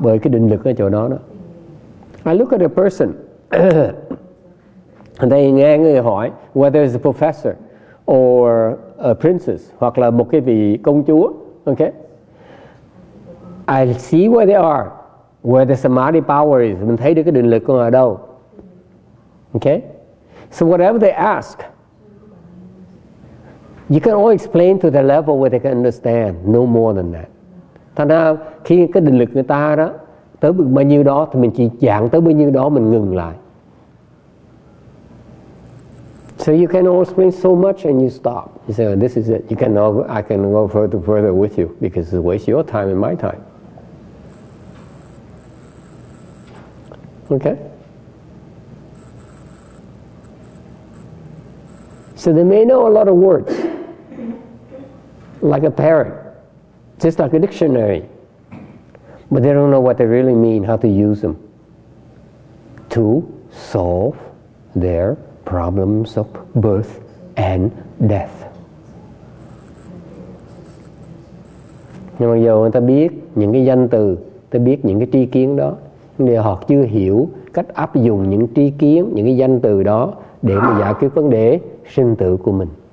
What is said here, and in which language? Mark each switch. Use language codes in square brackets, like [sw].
[vi] Bởi cái định lực ở chỗ đó đó. [en] I look at a person. And they [vi] nghe người hỏi [en] whether it's a professor or a princess [vi] hoặc là một cái vị công chúa, okay? [en] I see where they are, where the samadhi power is. [vi] Mình thấy được cái định lực của họ ở đâu. [en] Okay? So whatever they ask, you can only explain to the level where they can understand, no more than that. [vi] Thành ra khi cái định lực người ta đó tới bực bao nhiêu đó thì mình chỉ giảng tới bao nhiêu đó mình ngừng lại. [en] So you can all explain so much and you stop. You say, oh, this is it. You cannot, I can go further with you because it wastes your time and my time. Okay? So they may know a lot of words, like a parrot. Just like a dictionary, but they don't know what they really mean, how to use them to solve their problems of birth and death. [vi] Nhưng mà giờ người ta biết những cái danh từ, ta biết những cái tri kiến đó, nhưng mà họ chưa hiểu cách áp dụng những tri kiến, những cái danh từ đó để mà giải quyết vấn đề sinh tử của mình.